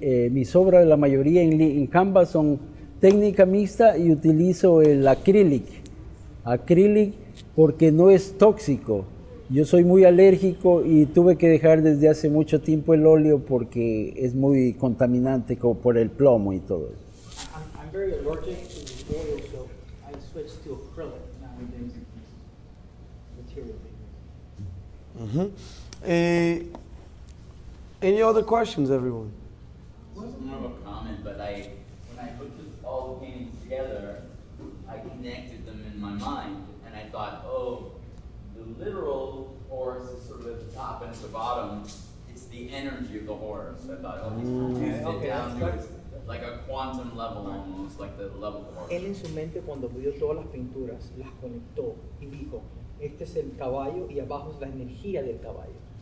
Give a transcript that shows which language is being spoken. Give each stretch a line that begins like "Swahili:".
Spanish: Mis obras, la mayoría en Canva, son técnica mixta y utilizo el acrílico porque no es tóxico. Yo soy muy alérgico y tuve que dejar desde hace mucho tiempo el óleo porque es muy contaminante como por el plomo y todo.
English: I'm very allergic to the oil, so I switched to acrylic nowadays. Mm-hmm. Any other questions, everyone? It's more of a comment, but when I put all the paintings together, I connected them in my mind and I thought, literal horse is sort of at the top and at the bottom. It's the energy of the horse. I thought, like a quantum level almost, like the level of the horse.
Spanish: Él en su mente cuando vio todas las pinturas las conectó y dijo, este es el caballo y abajo es la energía del caballo.